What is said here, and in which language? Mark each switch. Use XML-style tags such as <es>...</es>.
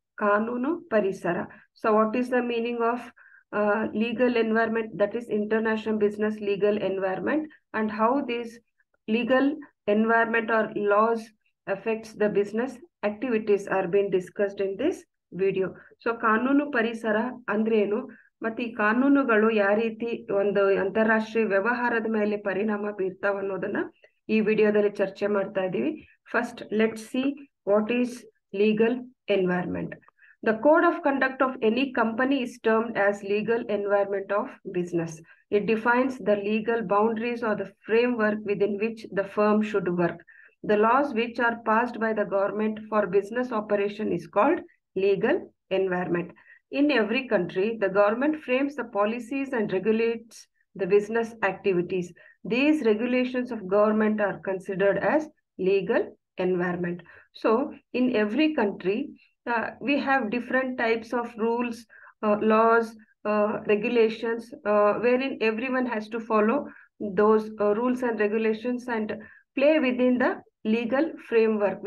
<en>Kanunu Parisara. So what is the meaning of legal environment, that is international business legal environment, and how this legal environment or laws affects the business activities are being discussed in this video.</en> <kn>So ಕಾನೂನು ಪರಿಸರ ಅಂದ್ರೇನು, ಮತ್ತೆ ಈ ಕಾನೂನುಗಳು ಯಾವ ರೀತಿ ಒಂದು ಅಂತಾರಾಷ್ಟ್ರೀಯ ವ್ಯವಹಾರದ ಮೇಲೆ ಪರಿಣಾಮ ಬೀರ್ತಾವ ಅನ್ನೋದನ್ನ ಈ ವಿಡಿಯೋದಲ್ಲಿ ಚರ್ಚೆ ಮಾಡ್ತಾ ಇದ್ದೀವಿ.</kn> <en>First let see what is legal environment. The code of conduct of any company is termed as legal environment of business. It defines the legal boundaries or the framework within which the firm should work. The laws which are passed by the government for business operation is called legal environment. In every country, the government frames the policies and regulates the business activities. These regulations of government are considered as legal environment. So in every country, we have different types of rules, laws, regulations, wherein everyone has to follow those rules and regulations and play within the legal framework.</en>